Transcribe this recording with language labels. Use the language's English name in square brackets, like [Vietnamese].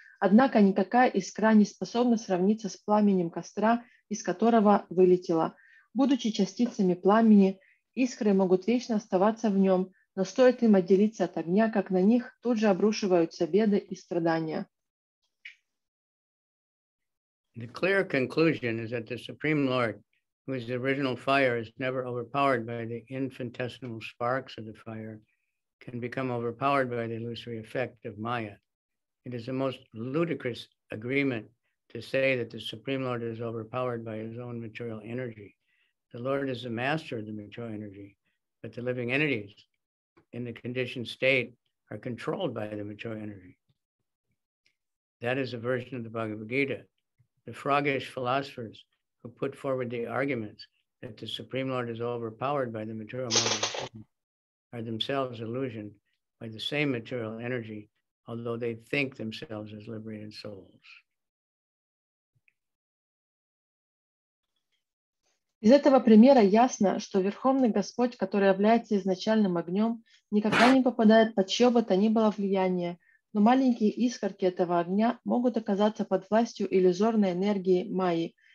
[Russian] Однако никакая искра не способна сравниться с пламенем костра, из которого вылетела. Будучи частицами пламени, искры могут вечно оставаться в нем, но стоит им отделиться от огня, как на них тут же обрушиваются беды и страдания. [English] The clear conclusion is that the Supreme Lord, who is the original fire, is never overpowered by the infinitesimal sparks of the fire, can become overpowered by the illusory effect of Maya. It is the most ludicrous agreement to say that the Supreme Lord is overpowered by his own material energy. The Lord is the master of the material energy, but the living entities in the conditioned state are controlled by the material energy. That is a version of the Bhagavad Gita. The froggish philosophers who put forward the arguments that the Supreme Lord is overpowered by the material mind are themselves illusioned by the same material energy, although they think themselves as liberated souls. [Russian] Из этого примера ясно, что Верховный Господь, который является изначальным огнем, никогда не попадает под чье бы то ни было влияние. Но маленькие искорки этого огня могут оказаться под властью иллюзорной энергии Майи.